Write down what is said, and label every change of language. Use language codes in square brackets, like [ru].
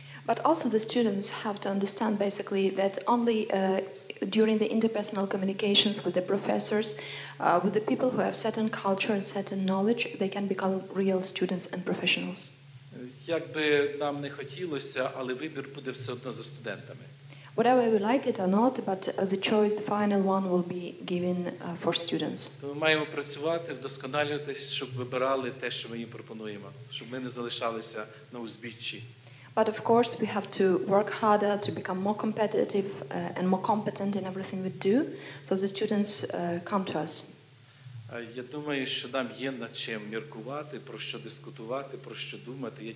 [en] But also the students have to understand basically that only during the interpersonal communications with the professors, with the people who have certain culture and certain knowledge, they can become real students and professionals. [uk] Як би нам не хотілося, але вибір буде все одно за студентами. [en] Whatever we like it or not, but the choice, the final one, will be given for students. [uk] Ми маємо працювати, вдосконалюватись, щоб вибирали те, що ми їм пропонуємо, щоб ми не залишалися на узбіччі. [en] But of course, we have to work harder to become more competitive and more competent in everything we do, so the students come to us. [uk] Я думаю, що нам є над чим міркувати, про що дискутувати, про що думати.